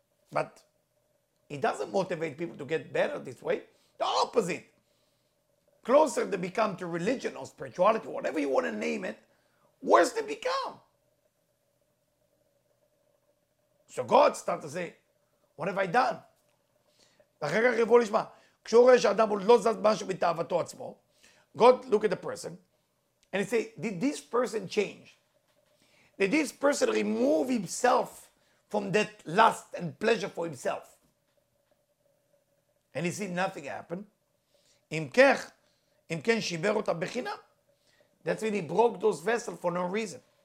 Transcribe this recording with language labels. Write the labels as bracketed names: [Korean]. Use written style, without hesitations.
[English] But it doesn't motivate people to get better this way. The opposite. Closer they become to religion or spirituality, whatever you want to name it, worse they become. So God starts to say, what have I done? [Hebrew] ואחר כך יבוא לשמה, כשהוא רואה שאדם עוד לא זז משהו בתאוותו עצמו, [English] God look at the person, and he say, did this person change? Did this person remove himself from that lust and pleasure for himself? And he see nothing happen. [Hebrew] אם כן שיבר אותה בחינם, [English] that's when he broke those vessels for no reason.